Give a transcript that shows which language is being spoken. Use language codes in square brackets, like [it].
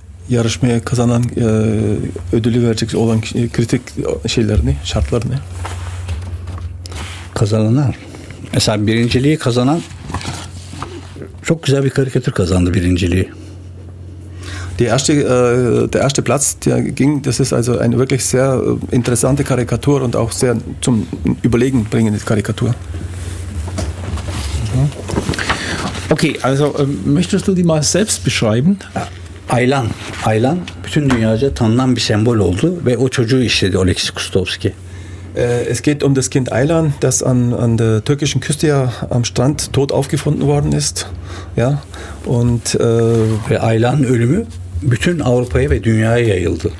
[tr] Yarışmaya kazanan ödülü verecek olan kritik şeylerini, şartlarını. Kazananlar. Mesela birinciliği kazanan çok güzel bir karikatür kazandı birinciliği. [de] Der erste Platz, der ging, das ist also eine wirklich sehr interessante Karikatur und auch sehr zum Überlegen bringende Karikatur. Okay, also möchtest du die mal selbst beschreiben? [tr] Aylan. Aylan bütün dünyaca tanınan bir sembol oldu ve o çocuğu işledi Oleksiy Kustovski. [de] Es geht um das Kind Aylan, das an der türkischen Küste ja am Strand tot aufgefunden worden ist. Ja, und [tr] ve Aylan ölümü bütün Avrupa'ya ve dünyaya yayıldı.